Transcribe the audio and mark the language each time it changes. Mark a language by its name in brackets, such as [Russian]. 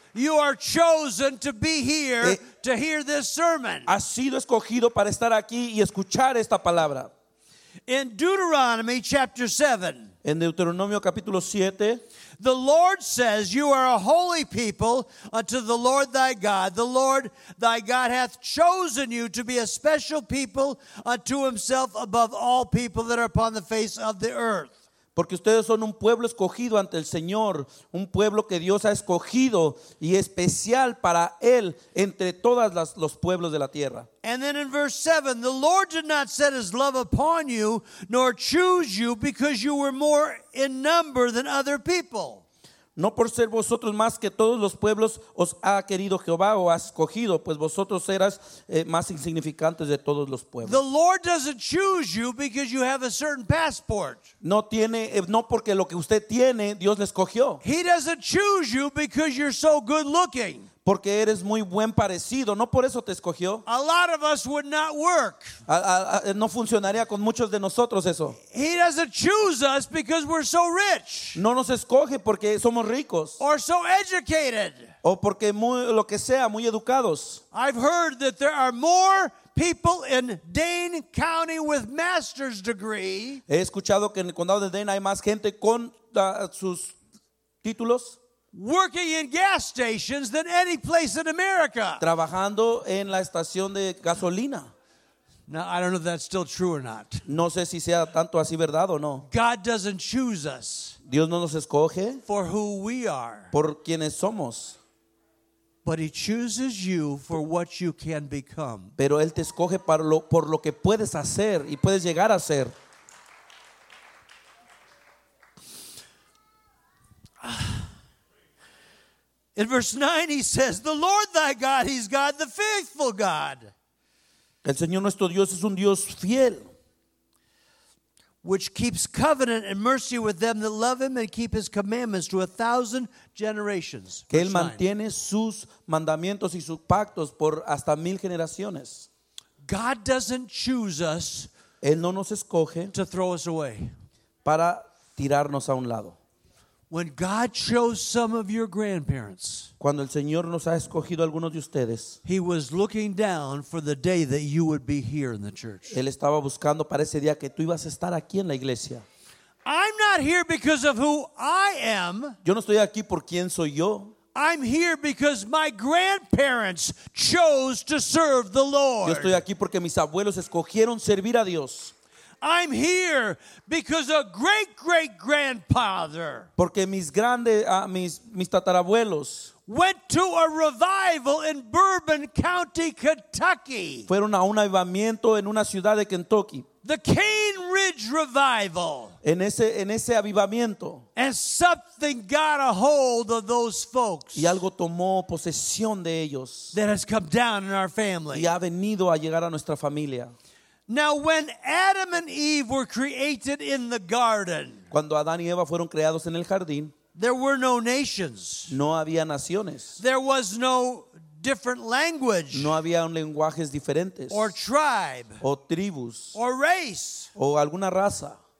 [English] You are chosen to be here to hear this sermon. [Spanish] Has sido escogido para estar aquí y escuchar esta palabra. [English] In Deuteronomy chapter 7. [Spanish] En Deuteronomio capítulo 7, [English] the Lord says, you are a holy people unto the Lord thy God. The Lord thy God hath chosen you to be a special people unto himself above all people that are upon the face of the earth. [Spanish] Porque ustedes son un pueblo escogido ante el Señor, un pueblo que Dios ha escogido y especial para Él entre todos los pueblos de la tierra. [English] And then in verse 7, the Lord did not set his love upon you, nor choose you, because you were more in number than other people. [Spanish] No por ser vosotros más que todos los pueblos os ha querido Jehová o ha escogido, pues vosotros eras más insignificantes de todos los pueblos. [English] The Lord doesn't choose you because you have a certain passport. [Spanish] No porque lo que usted tiene, Dios le escogió. [English] He doesn't choose you because you're so good looking. [Spanish] Porque eres muy buen parecido, no por eso te escogió. [English] A lot of us would not work. [Spanish] No funcionaría con muchos de nosotros eso. [English] He doesn't choose us because we're so rich. [Spanish] No nos escoge porque somos ricos. [English] Or so educated. [Spanish] O porque muy, lo que sea, muy educados. [English] I've heard that there are more people in Dane County with master's degree. [Spanish] He escuchado que en el condado de Dane hay más gente con sus títulos. [English] Working in gas stations than any place in America. [Spanish] Trabajando en la estación de gasolina. [English] Now, I don't know if that's still true or not. [Spanish] No sé si sea tanto así verdad o no. [English] God doesn't choose us. [Spanish] Dios no nos escoge. [English] For who we are. [Spanish] Por quienes somos. [English] But he chooses you for what you can become. [Spanish] Pero él te escoge por lo que puedes hacer y puedes llegar a ser. [English] In verse 9, he says, the Lord thy God, he's God, the faithful God. [Spanish] El Señor nuestro Dios es un Dios fiel. [English] Which keeps covenant and mercy with them that love him and keep his commandments to 1,000 generations. [Spanish] Que él mantiene sus mandamientos y sus pactos por hasta 1,000 generaciones. [English] God doesn't choose us. [Spanish] Él no nos escoge. [English] To throw us away. [Spanish] Para tirarnos a un lado. [English] When God chose some of your grandparents, [Spanish] cuando el Señor nos ha escogido algunos de ustedes, [English] he was looking down for the day that you would be here in the church. [Spanish] Él estaba buscando para ese día que tú ibas a estar aquí en la iglesia. [English] I'm not here because of who I am. [Spanish] Yo no estoy aquí por quién soy yo. [English] I'm here because my grandparents chose to serve the Lord. [Spanish] Yo estoy aquí porque mis abuelos escogieron servir a Dios. [English] I'm here because a great great grandfather. [Spanish] Porque mis grandes mis tatarabuelos [English] went to a revival in Bourbon County, Kentucky. [Spanish] Fueron a un avivamiento en una ciudad de Kentucky. [English] The Cane Ridge Revival. [Spanish] En ese avivamiento. [English] And something got a hold of those folks. [Spanish] Y algo tomó posesión de ellos. [English] That has come down in our family. [Spanish] Y ha venido a llegar a nuestra familia. [English] Now, when Adam and Eve were created in the garden, [Spanish] cuando Adán y Eva fueron creados en el jardín, [English] there were no nations. [Spanish] No había naciones. [English] There was no different language. [Spanish] No había lenguajes diferentes. [English] Or tribe. [Spanish] O tribus. [English] Or race. [Spanish] O alguna raza.